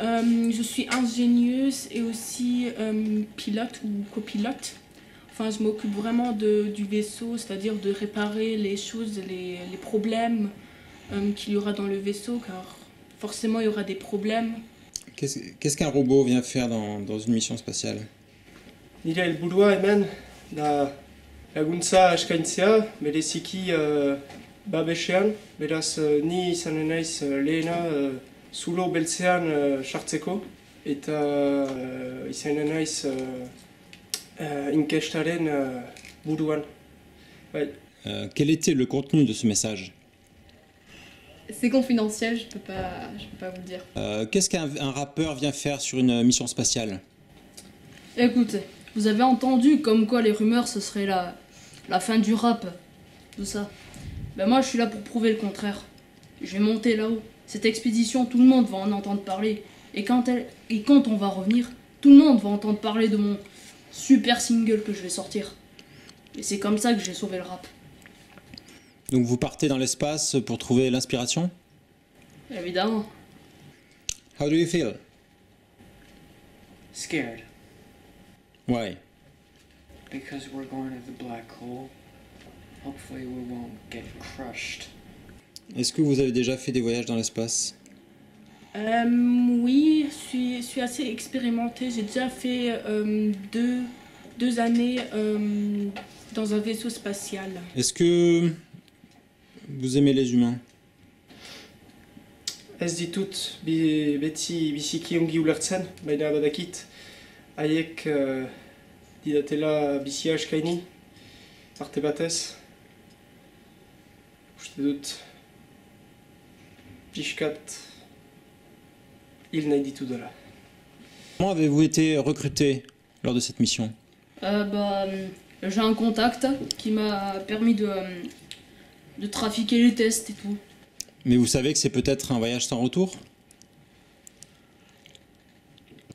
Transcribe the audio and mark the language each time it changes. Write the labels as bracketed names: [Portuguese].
[French] Je suis ingénieuse et aussi pilote ou copilote. Enfin, je m'occupe vraiment du vaisseau, c'est-à-dire de réparer les choses, les problèmes qu'il y aura dans le vaisseau, car... Forcément, il y aura des problèmes. Qu'est-ce qu'un robot vient faire dans une mission spatiale ? Il a le boulot, [Basque] hemen, da laguntza eskaintzea, bereziki babesean, beraz ni izanen naiz lehena zulo beltzean sartzeko, eta izanen naiz inkestaren buruan. [French] Quel était le contenu de ce message ? C'est confidentiel, je peux pas vous dire. Qu'est-ce qu'un rappeur vient faire sur une mission spatiale ? Écoutez, vous avez entendu comme quoi les rumeurs ce serait la fin du rap, tout ça. Ben moi je suis là pour prouver le contraire. Je vais monter là-haut. Cette expédition, tout le monde va en entendre parler. Et quand on va revenir, tout le monde va entendre parler de mon super single que je vais sortir. Et c'est comme ça que j'ai sauvé le rap. Donc vous partez dans l'espace pour trouver l'inspiration ? Évidemment. [English] How do you feel ? Scared. Why ? Because we're going to the black hole. Hopefully we won't get crushed. [French] Est-ce que vous avez déjà fait des voyages dans l'espace ? Oui, je suis assez expérimenté. J'ai déjà fait deux années dans un vaisseau spatial. Est-ce que... Vous aimez les humains ? [Basque] Ez ditut biziki ongi ulertzen, baina badakit haiek didatela bizi askaini, arte batez. Uste dut pixkat hil nahi ditudela. [French] Comment avez-vous été recruté lors de cette mission ? J'ai un contact qui m'a permis de trafiquer les tests et tout. Mais vous savez que c'est peut-être un voyage sans retour ?